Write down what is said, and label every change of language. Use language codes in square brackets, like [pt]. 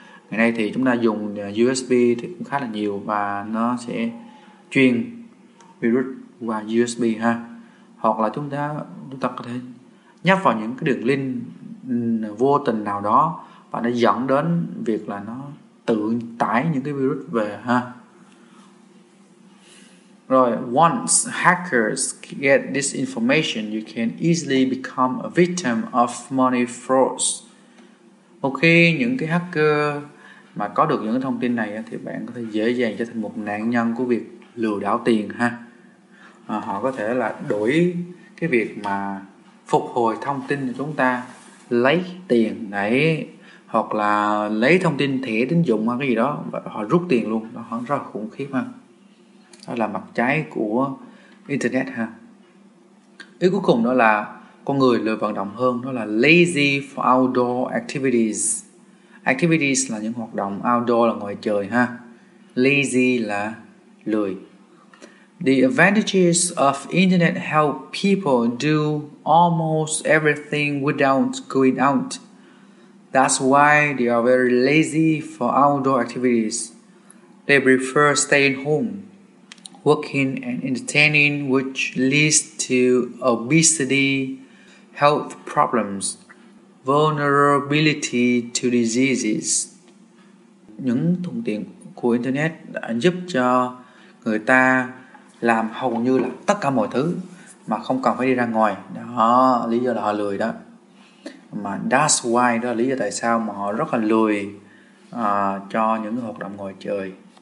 [vi] Ngày nay thì chúng ta dùng USB thì cũng khá là nhiều và nó sẽ truyền virus qua USB ha. Hoặc là chúng ta có thể nhấp vào những cái đường link vô tình nào đó và nó dẫn đến việc là nó tự tải những cái virus về ha. [en] Rồi, once hackers get this information, you can easily become a victim of money frauds. [vi] Ok, những cái hacker mà có được những cái thông tin này thì bạn có thể dễ dàng trở thành một nạn nhân của việc lừa đảo tiền ha. À, họ có thể là đổi cái việc mà phục hồi thông tin cho chúng ta, lấy tiền đấy, hoặc là lấy thông tin thẻ tín dụng hay cái gì đó, họ rút tiền luôn, nó rất là khủng khiếp ha. Đó là mặt trái của internet ha. Ý cuối cùng đó là con người lười vận động hơn, đó là [en] lazy for outdoor activities. [vi] Activities là những hoạt động, outdoor là ngoài trời ha. Lazy là lười. [en] The advantages of internet help people do almost everything without going out. That's why they are very lazy for outdoor activities. They prefer staying home, working and entertaining, which leads to obesity, health problems, vulnerability to diseases. [vi] Những thuận tiện của internet đã giúp cho người ta làm hầu như là tất cả mọi thứ mà không cần phải đi ra ngoài. Đó, lý do là họ lười đó. Mà [en] that's why, [vi] đó là lý do tại sao mà họ rất là lười cho những hoạt động ngoài trời.